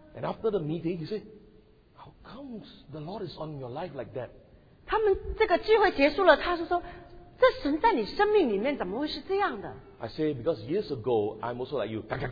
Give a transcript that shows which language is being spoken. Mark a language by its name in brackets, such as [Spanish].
[English] And after the meeting, he said, How come the Lord is on your life like that? [Chinese] 他们这个聚会结束了，他是说，这神在你生命里面怎么会是这样的？ [English] I say, because years ago, I'm also like you.